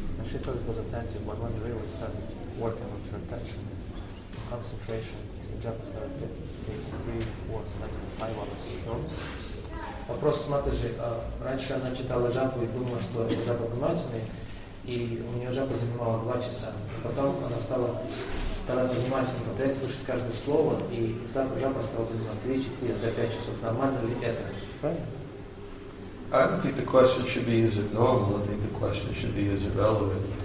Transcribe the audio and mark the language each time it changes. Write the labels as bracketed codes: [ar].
[en] And she thought it was attentive, but when you really started working with your attention, your concentration, the jump started taking 3 hours, sometimes 5 hours in total. [ru] Вопрос с Матежи. Раньше она читала джапу и думала, что это джапа внимательный, и у нее джапа занимала 2 часа. Потом она стала стараться внимательно смотреть, слушать каждое слово, и так джапа стала занимать 3, 4, 5 часов. Нормально ли это? [en] I don't think the question should be, is it normal? I think the question should be, is it relevant?